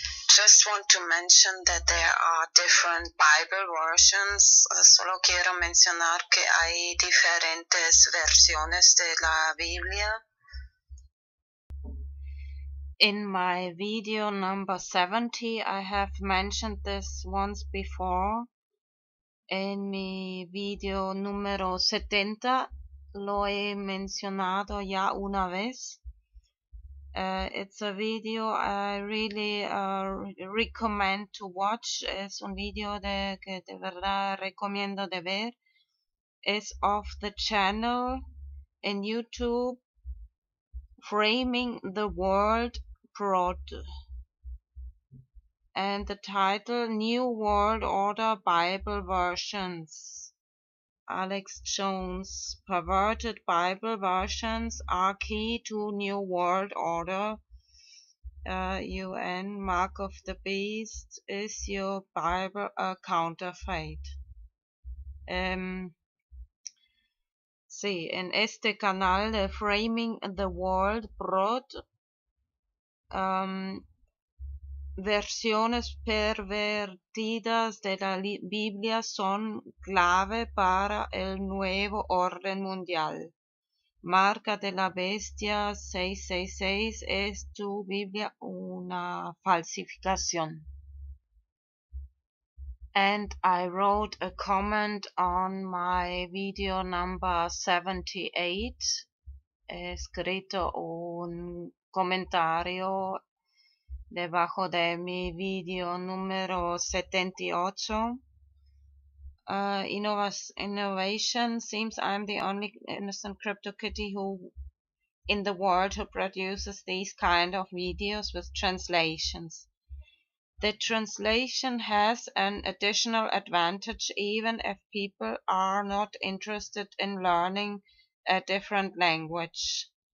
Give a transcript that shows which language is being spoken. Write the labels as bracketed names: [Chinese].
[English] Just want to mention that there are different Bible versions. [Spanish] Solo quiero mencionar que hay diferentes versiones de la Biblia. [English] In my video number 70, I have mentioned this once before. [Spanish] En mi video número 70, lo he mencionado ya una vez. [English] It's a video I really recommend to watch. [Spanish] Es un video que de verdad recomiendo de ver. [English] It's of the channel in YouTube, Framing the World Prod. And the title, New World Order Bible Versions. Alex Jones, perverted Bible versions are key to New World Order. UN, Mark of the Beast, is your Bible a counterfeit? [Spanish] Sí, en este canal de Framing the World Prod, versiones pervertidas de la Biblia son clave para el nuevo orden mundial. Marca de la bestia 666, ¿es tu Biblia una falsificación? [English] And I wrote a comment on my video number 78. [Spanish] He escrito un comentario debajo de mi video número 78. [English] Innovation seems I'm the only innocent crypto kitty who in the world who produces these kind of videos with translations. The translation has an additional advantage even if people are not interested in learning a different language.